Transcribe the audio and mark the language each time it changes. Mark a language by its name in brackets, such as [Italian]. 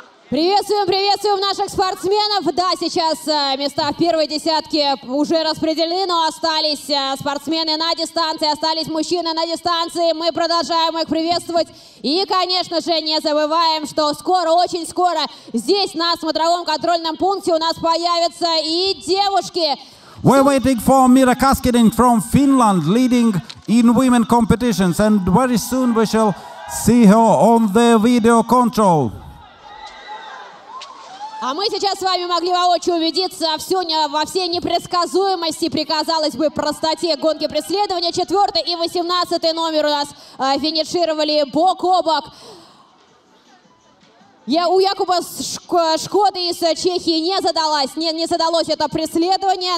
[Russian] Приветствуем, приветствуем наших спортсменов. Да, сейчас места в первой десятке уже распределены, но остались спортсмены на дистанции, остались мужчины на дистанции. Мы продолжаем их приветствовать. И, конечно же, не забываем, что скоро, очень скоро здесь на смотровом контрольном пункте у нас появятся и девушки. [English] We're waiting for Mira Kaskinen from Finland, leading in women competitions. And very soon we shall see her on the video control. [Russian] А мы сейчас с вами могли воочию убедиться во всей непредсказуемости, при, казалось бы, простоте гонки преследования. 4-й и 18-й номер у нас финишировали бок о бок. У Якуба Шкоды из Чехии не задалось это преследование.